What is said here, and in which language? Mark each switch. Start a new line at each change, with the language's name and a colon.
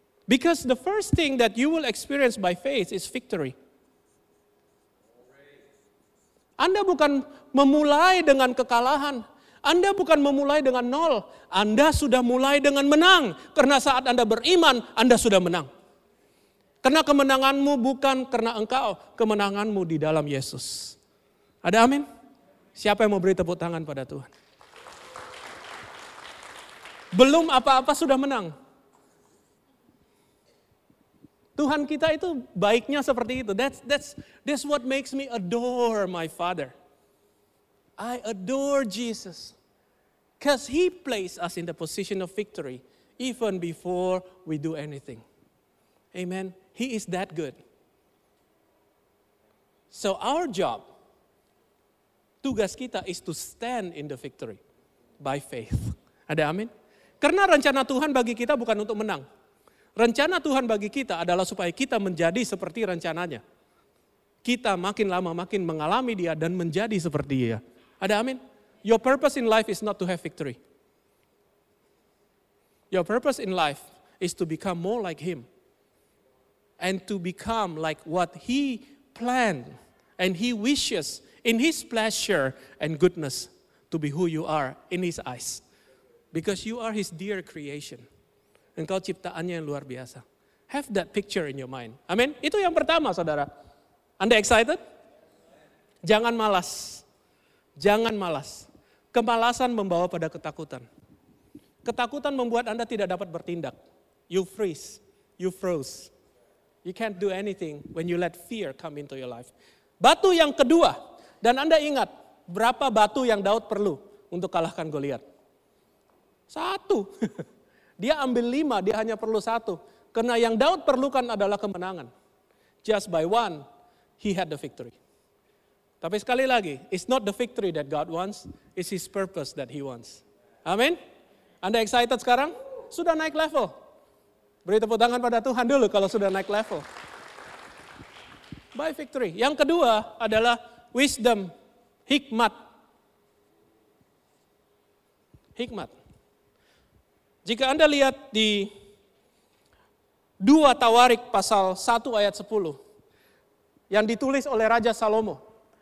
English: Because the first thing that you will experience by faith is victory.
Indonesian: Anda bukan memulai dengan kekalahan. Anda bukan memulai dengan nol. Anda sudah mulai dengan menang. Karena saat Anda beriman, Anda sudah menang. Karena kemenanganmu bukan karena engkau, kemenanganmu di dalam Yesus. Ada amin? Siapa yang mau beri tepuk tangan pada Tuhan? Belum apa-apa sudah menang. Tuhan kita itu baiknya seperti itu.
English: That's what makes me adore my Father. I adore Jesus. Because He placed us in the position of victory even before we do anything. Amen. He is that good. So our job,
Indonesian: tugas kita
English: is to stand in the victory by faith.
Indonesian: Ada amin? Karena rencana Tuhan bagi kita bukan untuk menang. Rencana Tuhan bagi kita adalah supaya kita menjadi seperti rencananya. Kita makin lama makin mengalami Dia dan menjadi seperti Dia. Ada amin?
English: Your purpose in life is not to have victory. Your purpose in life is to become more like Him. And to become like what He planned and He wishes in His pleasure and goodness to be who you are in His eyes. Because you are His dear creation.
Indonesian: Engkau ciptaannya yang luar biasa.
English: Have that picture in your mind.
Indonesian: Amin. Itu yang pertama, saudara. Anda excited? Jangan malas. Jangan malas. Kemalasan membawa pada ketakutan. Ketakutan membuat Anda tidak dapat bertindak.
English: You froze. You can't do anything when you let fear come into your life.
Indonesian: Batu yang kedua, dan Anda ingat berapa batu yang Daud perlu untuk kalahkan Goliat? Satu. Dia ambil lima, dia hanya perlu satu. Karena yang Daud perlukan adalah kemenangan.
English: Just by one, he had the victory.
Indonesian: Tapi sekali lagi,
English: it's not the victory that God wants, it's his purpose that he wants.
Indonesian: Amin? Anda excited sekarang? Sudah naik level. Beri tepuk tangan pada Tuhan dulu kalau sudah naik level.
English: By victory.
Indonesian: Yang kedua adalah wisdom, hikmat. Hikmat. Jika Anda lihat di 2 Tawarik pasal 1 ayat 10 yang ditulis oleh Raja Salomo.